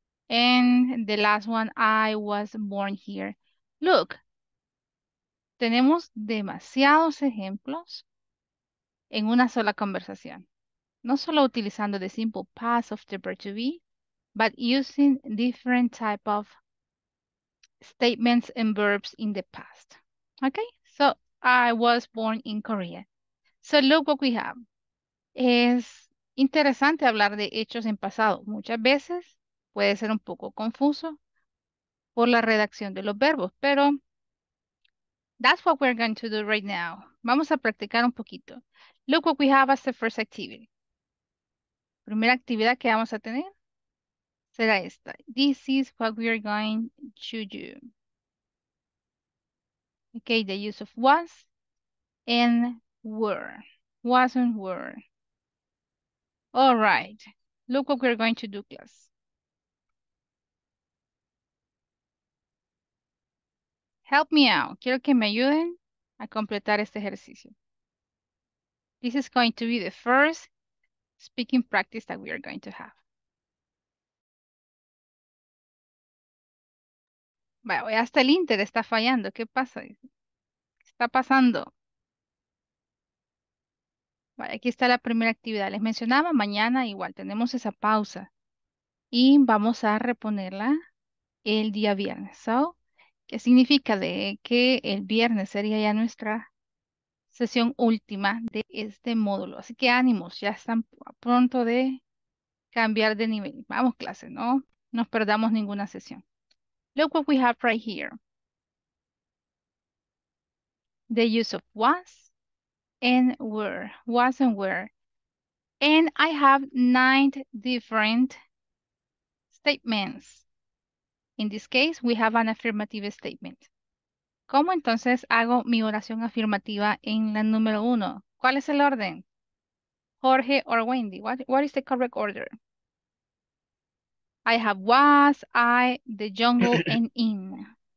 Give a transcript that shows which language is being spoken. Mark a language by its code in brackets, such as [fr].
[en] And the last one, I was born here. [es] Look, tenemos demasiados ejemplos en una sola conversación. No solo utilizando [en] the simple past of the verb to be, but using different type of statements and verbs in the past. Okay, so I was born in Korea. So look what we have. [es] Es interesante hablar de hechos en pasado. Muchas veces puede ser un poco confuso por la redacción de los verbos, pero [en] that's what we're going to do right now. [es] Vamos a practicar un poquito. [en] Look what we have as the first activity. [es] Primera actividad que vamos a tener será esta. [en] This is what we are going to do. Okay, the use of was and were. Was and were. All right. Look what we're going to do, class. Help me out. [es] Quiero que me ayuden a completar este ejercicio. [en] This is going to be the first speaking practice that we are going to have. [es] Vaya, bueno, hasta el Inter está fallando. ¿Qué pasa? ¿Qué está pasando? Vaya, aquí está la primera actividad. Les mencionaba, mañana igual tenemos esa pausa. Y vamos a reponerla el día viernes. So, ¿qué significa de que el viernes sería ya nuestra sesión última de este módulo? Así que ánimos, ya están a pronto de cambiar de nivel. Vamos, clase, no nos perdamos ninguna sesión. [en] Look what we have right here. The use of was and were. Was and were. And I have 9 different statements. In this case, we have an affirmative statement. [es] ¿Cómo entonces hago mi oración afirmativa en la número 1? ¿Cuál es el orden? [en] Jorge or Wendy, what is the correct order? I have was, I, the jungle, and in.